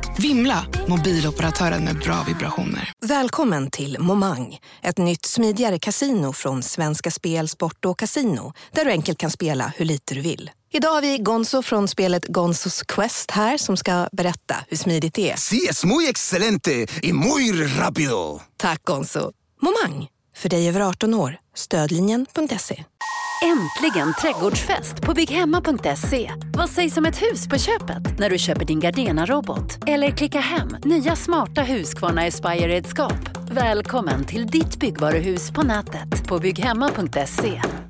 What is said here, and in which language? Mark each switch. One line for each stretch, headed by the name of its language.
Swedish: Vimla, mobiloperatören med bra vibrationer. Välkommen till Momang, ett nytt smidigare kasino från Svenska Spel, Sport och Casino, där du enkelt kan spela hur lite du vill. Idag har vi Gonzo från spelet Gonzos Quest här som ska berätta hur smidigt det är.
Spanish: Sí, es muy excelente y muy rápido.
Swedish: Tack Gonzo. Momang, för dig över 18 år. Stödlinjen.se. Äntligen trädgårdsfest på bygghemma.se. Vad sägs om ett hus på köpet när du köper din Gardena-robot? Eller klicka hem nya smarta Husqvarna Aspire-redskap. Välkommen till ditt byggvaruhus på nätet på bygghemma.se.